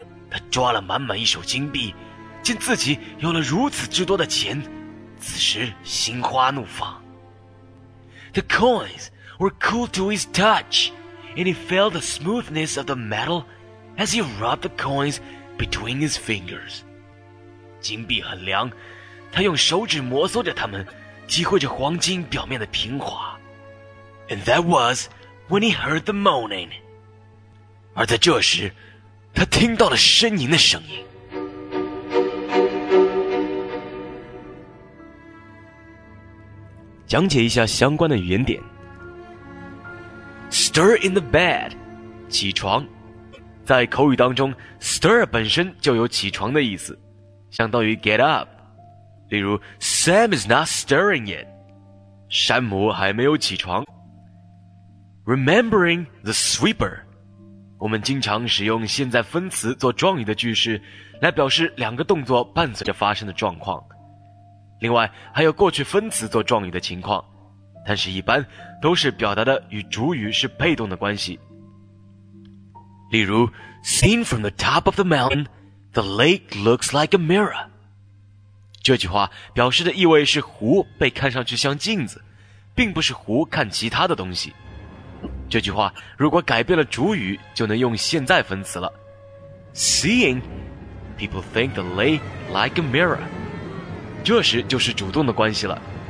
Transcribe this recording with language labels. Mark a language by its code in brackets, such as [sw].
[zh] 他抓了满满一手金币，见自己有了如此之多的钱，此时心花怒放。 [en] The coins were cool to his touch. And he felt the smoothness of the metal as he rubbed the coins between his fingers. [zh] 金币很凉，他用手指摩挲着它们，体会着黄金表面的平滑。 [en] And that was when he heard the moaning. [zh] 而在这时，他听到了呻吟的声音。讲解一下相关的语言点。 [en] Stir in the bed, [zh] 起床。在口语当中 ,stir 本身就有起床的意思，相当于 get up。例如 , [en] Sam is not stirring yet, [zh] 山姆还没有起床。 [en] Remembering the sweeper, [zh] 我们经常使用现在分词做状语的句式，来表示两个动作伴随着发生的状况。另外还有过去分词做状语的情况。但是一般都是表达的与主语是被动的关系。例如 , [en] seen from the top of the mountain, the lake looks like a mirror. [zh] 这句话表示的意味是湖被看上去像镜子，并不是湖看其他的东西。这句话如果改变了主语就能用现在分词了。 [en] Seeing, people think the lake like a mirror. [zh] 这时就是主动的关系了。